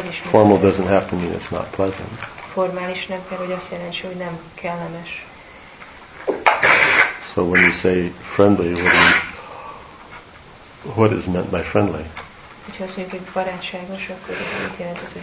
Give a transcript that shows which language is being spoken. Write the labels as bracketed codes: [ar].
[en] Formal doesn't have to mean it's not pleasant. [hu] Formal is nem kell, hogy azt jelentse, hogy nem kellemes. [en] So when you say friendly, what is meant by friendly? [hu] Hogyha azt mondjuk, hogy barátságos, akkor mit jelent az, hogy